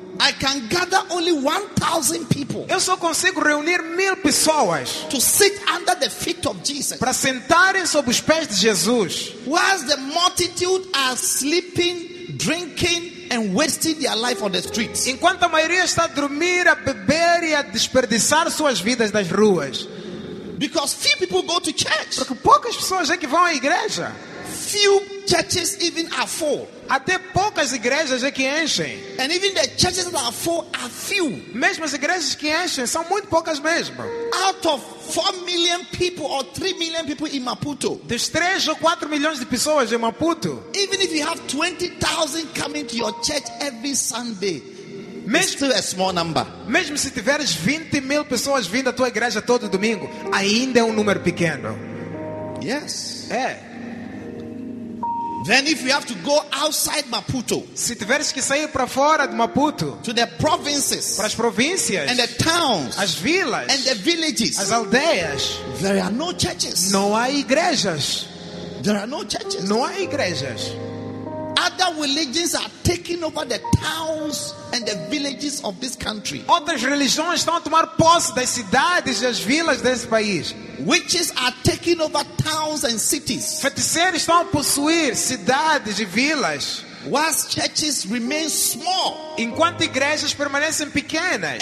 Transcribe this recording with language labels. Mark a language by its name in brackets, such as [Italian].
[English] I can gather only 1,000 people. [Portuguese] Eu só consigo reunir 1,000 pessoas [English] to sit under the feet of Jesus. [Portuguese] Para sentarem sob os pés de Jesus. [English] Whilst the multitude are sleeping, drinking and wasting their life on the streets. [Portuguese] Enquanto a maioria está a dormir, a beber e a desperdiçar suas vidas nas ruas. [English] Because few people go to church. [Portuguese] Porque poucas pessoas é que vão à igreja. [English] Few churches even are full. [Portuguese] Até poucas igrejas é que enchem. [English] And even the churches that are full are few. [Portuguese] Mesmo as igrejas que enchem são muito poucas mesmo. [English] Out of 4 million people or 3 million people in Maputo. [Portuguese] Dos 3 ou 4 milhões de pessoas em Maputo. [English] Even if you have 20,000 coming to your church every Sunday, it's still a small number. [Portuguese] Mesmo se tiveres 20 mil pessoas vindo à tua igreja todo domingo, ainda é número pequeno. [English] Yes. [Portuguese] É. [English] Then if you have to go outside Maputo, [Portuguese] se tiveres que sair para fora de Maputo, [English] to the provinces, [Portuguese] para as províncias, [English] and the towns, [Portuguese] as vilas, [English] and the villages, [Portuguese] as aldeias, [English] there are no churches. [Portuguese] Não há igrejas. [English] There are no churches. [Portuguese] Não há igrejas. [English] Other religions are taking over the towns and the villages of this country. [Portuguese] Outras religiões estão a tomar posse das cidades e as vilas desse país. [English] Witches are taking over towns and cities. [Portuguese] Feiticeiros estão a possuir cidades e vilas. [English] Whilst churches remain small, [Portuguese] enquanto igrejas permanecem pequenas.